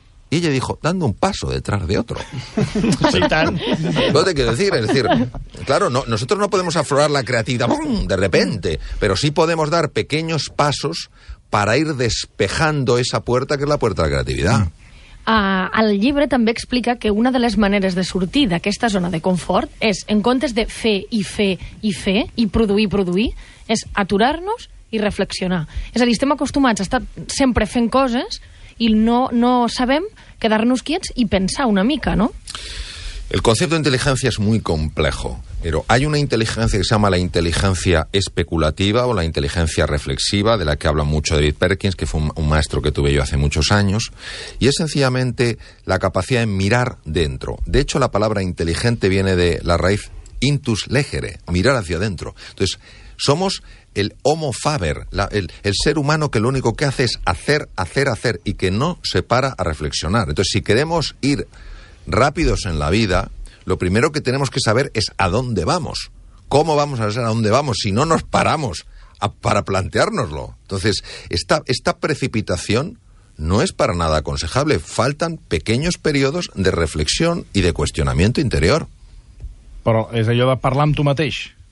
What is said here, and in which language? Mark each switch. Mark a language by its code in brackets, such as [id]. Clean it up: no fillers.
[es] Y ella dijo, dando un paso detrás de otro. Sí, tal. ¿Qué te quiero decir? Es decir, claro, no, nosotros no podemos aflorar la creatividad ¡pum! De repente, pero sí podemos dar pequeños pasos para ir despejando esa puerta que es la puerta de la creatividad. [ca] El llibre també explica que una de les maneres de sortir d'aquesta zona de confort és, en comptes de fer i fer i fer i produir i produir, és aturar-nos i reflexionar. És a dir, estem acostumats a estar sempre fent coses i no sabem quedar-nos quiets i pensar una mica, no? El concepte d'intel·ligència és molt complex, però hi ha una intel·ligència que se llama la intel·ligència especulativa o la intel·ligència reflexiva, [es] de la que habla mucho David Perkins, que fue un maestro que tuve yo hace muchos años, y es sencillamente la capacidad de mirar dentro. De hecho, la palabra inteligente viene de la raíz intus legere, mirar hacia dentro. Entonces, somos el homo faber, el ser humano que lo único que hace es hacer, hacer, hacer, y que no se para a reflexionar. Entonces, si queremos ir rápidos en la vida, lo primero que tenemos que saber es a dónde vamos. ¿Cómo vamos a saber a dónde vamos si no nos paramos para planteárnoslo? Entonces, esta precipitación no es para nada aconsejable. Faltan pequeños periodos de reflexión y de cuestionamiento interior. [ca] Pero es allò de parlar amb tu mateix.